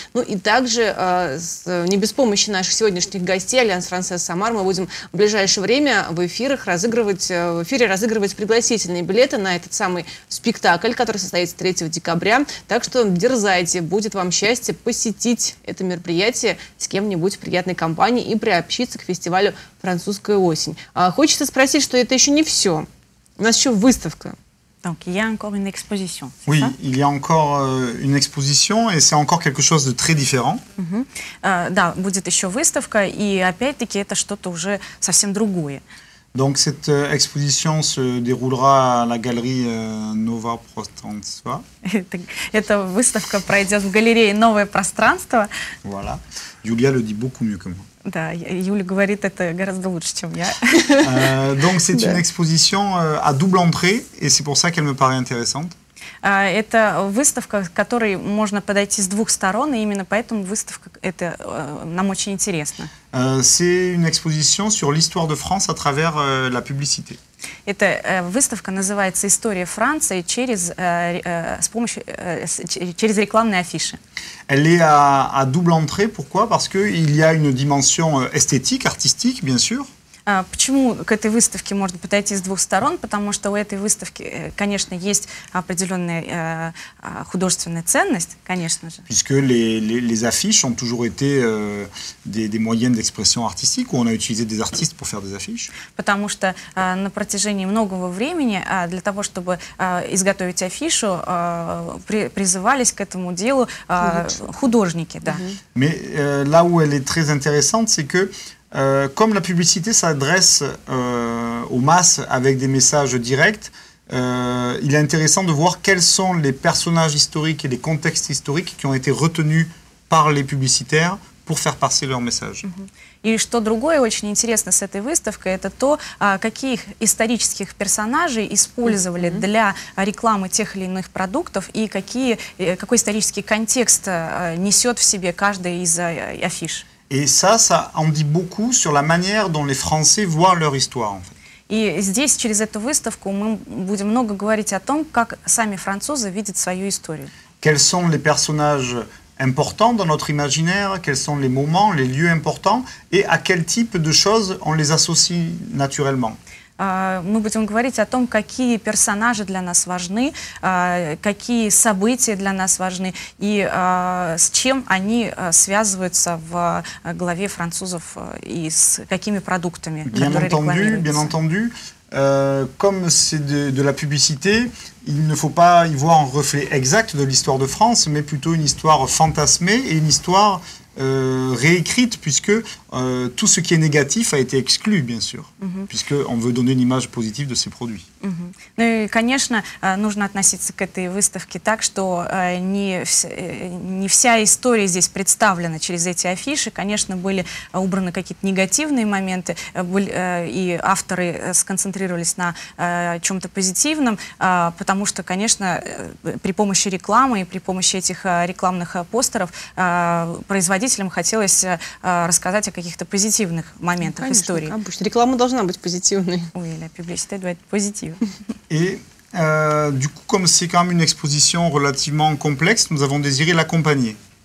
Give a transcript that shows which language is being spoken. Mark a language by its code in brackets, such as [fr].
[ru] Ну и также, не без помощи наших сегодняшних гостей, Альянс Франсез Самар, мы будем в ближайшее время в эфирах разыгрывать, в эфире разыгрывать пригласительные билеты на этот самый спектакль, который состоится 3 декабря. Так что дерзайте, будет вам счастье посетить это мероприятие с кем-нибудь в приятной компании и приобщиться к фестивалю «Французская осень». Хочется спросить, что это еще не все. У нас еще выставка. [fr] Donc, il y a encore une exposition. Oui, il y a encore une exposition et c'est encore quelque chose de très différent. [ru] Да, будет еще выставка и опять-таки это что-то уже совсем другое. [fr] Donc cette exposition se déroulera à la galerie Nova Prostranstva. [ru] Эта выставка пройдет в галерее Новое пространство. [fr] Voilà. Julia le dit beaucoup mieux que moi. [ru] Да, Юля говорит это гораздо лучше, чем я. [fr] Donc c'est une exposition à double entrée et c'est pour ça qu'elle me paraît intéressante. [ru] Это выставка, к которой можно подойти с 2 сторон, и именно поэтому выставка это нам очень интересно. [fr] C'est une exposition sur l'histoire de France à travers la publicité. [ru] Эта выставка называется «История Франции» через с помощью через рекламные афиши. [fr] Elle est à double entrée. Pourquoi? Parce que il y a une dimension esthétique, artistique, bien sûr. [ru] Почему к этой выставке можно подойти с двух сторон? Потому что у этой выставки, конечно, есть определенная художественная ценность, конечно же. [fr] Puisque les affiches ont toujours été des moyens d'expression artistique, où on a utilisé des artistes pour faire des affiches. [ru] Потому что на протяжении многого времени для того, чтобы изготовить афишу, призывались к этому делу художники, да. [fr] Mais là où elle est très intéressante, c'est que comme la publicité s'adresse aux masses avec des messages directs, il est intéressant de voir quels sont les personnages historiques et les contextes historiques qui ont été retenus par les publicitaires pour faire passer leur message. [ru] И что другое очень интересно с этой выставкой, это то, каких исторических персонажей использовали для рекламы тех или иных продуктов и какой исторический контекст несет в себе каждый из афиш. [fr] Et ça en dit beaucoup sur la manière dont les Français voient leur histoire, en fait. [ru] И здесь, через эту выставку, мы будем много говорить о том, как сами французы видят свою историю. [fr] Quels sont les personnages importants dans notre imaginaire, quels sont les moments, les lieux importants, et à quel type de choses on les associe naturellement. [ru] Мы будем говорить о том, какие персонажи для нас важны, какие события для нас важны и с чем они связываются в голове французов и с какими продуктами, которые рекламируются. [fr] Bien entendu, comme c'est de la publicité, il ne faut pas y voir un reflet exact de l'histoire de France, mais plutôt une histoire fantasmée et une histoire réécrite, puisque tout ce qui est négatif a été exclu, bien sûr, puisque on veut donner une image positive de ces produits. [ru] Ну и, конечно, нужно относиться к этой выставке так, что не вся история здесь представлена через эти афиши. Конечно, были убраны какие-то негативные моменты, и авторы сконцентрировались на чем-то позитивном, потому что, конечно, при помощи рекламы и при помощи этих рекламных постеров производителям хотелось рассказать о каких-то позитивных моментах истории. Конечно, обычно. Реклама должна быть позитивной. Ой, публичность должна быть позитивной. [fr] Et du coup, comme c'est quand même une exposition relativement complexe, nous avons désiré l'accompagner.